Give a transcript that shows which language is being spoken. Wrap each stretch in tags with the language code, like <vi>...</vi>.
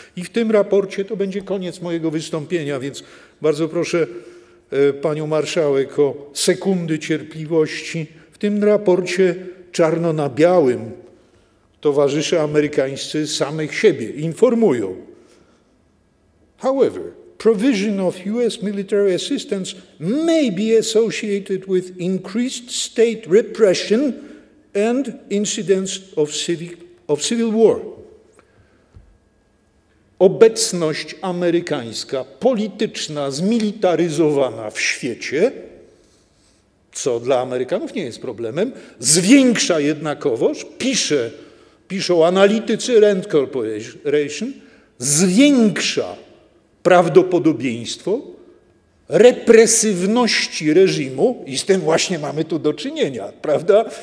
<pl>I w tym raporcie to będzie koniec mojego wystąpienia, więc bardzo proszę panią marszałek o sekundy cierpliwości. W tym raporcie czarno na białym towarzysze amerykańscy samych siebie informują.</pl> <en>However, provision of U.S. military assistance may be associated with increased state repression and incidents of civil war.</en> <pl>Obecność amerykańska, polityczna, zmilitaryzowana w świecie, co dla Amerykanów nie jest problemem, zwiększa jednakowoż, piszą analitycy Rand Corporation, zwiększa prawdopodobieństwo represywności reżimu i z tym właśnie mamy tu do czynienia, prawda?</pl>